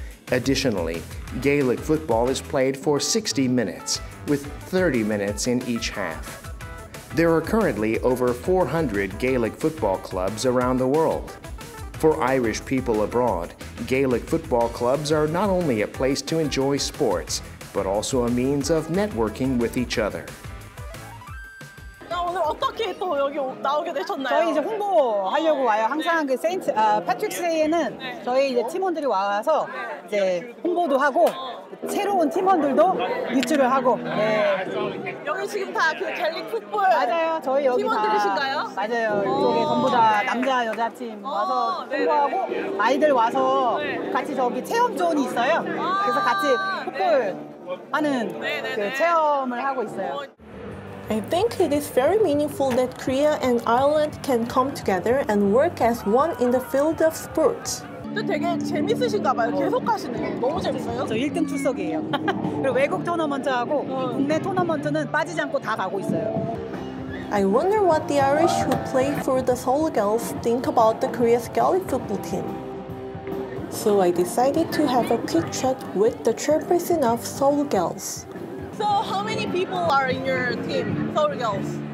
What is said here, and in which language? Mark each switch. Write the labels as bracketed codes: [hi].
[en] Additionally, Gaelic football is played for 60 minutes, with 30 minutes in each half. There are currently over 400 Gaelic football clubs around the world. For Irish people abroad, Gaelic football clubs are not only a place to enjoy sports, but also a means of networking with each other. [ko] 어떻게 또 여기 나오게 되셨나요? 저희 이제 홍보 하려고 와요. 항상 그 세인트 패트릭스 데이에는 저희 이제 팀원들이 와서 이제 홍보도 하고 새로운 팀원들도 뉴트를 하고. 네. 여기 지금 다 그 게일릭풋볼. 맞아요. 저희 여기 팀원들이신가요? 다, 맞아요. 이쪽에 전부 다 네. 남자 여자 팀 와서 홍보하고 아이들 와서 네. 같이 저기 체험 존이 있어요. 그래서 같이 풋볼 네. 하는 네. 그 네. 체험을 하고 있어요. [en] I think it is very meaningful that Korea and Ireland can come together and work as one in the field of sports. [ko] 되게 재밌으신가 봐요. 계속 가시네요. 너무 재밌어요. 저 1등 출석이에요. 그리고 외국 토너먼트 하고 국내 토너먼트는 빠지지 않고 다 가고 있어요. [en] I wonder what the Irish who play for the Seoul girls think about the Korea's Gaelic football team. So I decided to have a quick chat with the chairperson of Seoul girls. So how many people are in your team, Seoul girls?